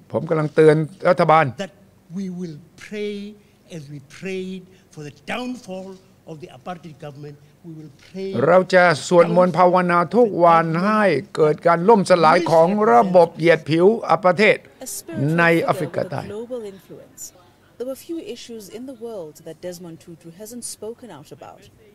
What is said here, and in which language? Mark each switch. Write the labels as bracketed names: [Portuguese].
[Thai] ผมกำลังเตือนรัฐบาล [English] That we will pray as we prayed for the downfall of the apartheid government. We will pray. [Thai] เราจะสวดมนต์ภาวนาทุกวันให้เกิดการล่มสลายของระบบเหยียดผิวอพยพในแอฟริกาใต้ [English] Global influence. There were few issues in the world that Desmond Tutu hasn't spoken out about.